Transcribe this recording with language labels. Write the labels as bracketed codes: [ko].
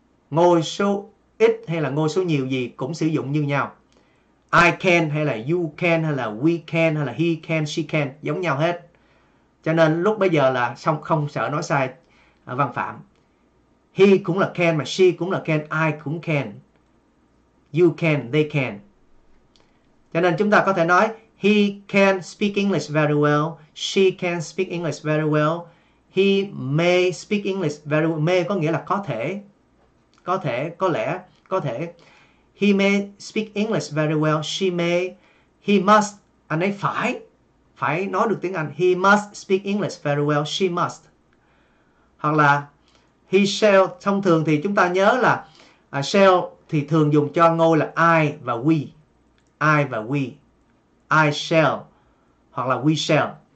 [vi] Ngôi số ít hay là ngôi số nhiều gì cũng sử dụng như nhau. [en] I can [vi] hay là [en] you can hay là we can hay là he can, she can [vi] giống nhau hết. Cho nên lúc bây giờ là xong, không sợ nói sai văn phạm. He cũng là can mà she cũng là can, I cũng can. [en] You can, they can. [vi] Cho nên chúng ta có thể nói [en] he can speak English very well, she can speak English very well, he may speak English very well. [vi] May có nghĩa là có thể. Có thể, có lẽ, có thể. [en] He may speak English very well. She may. He must. [vi] Anh ấy phải. Phải nói được tiếng Anh. [en] He must speak English very well. She must. [vi] Hoặc là he shall. Thông thường thì chúng ta nhớ là shall thì thường dùng cho ngôi là I và we. I và we. [en] I shall. [vi] Hoặc là [en] we shall.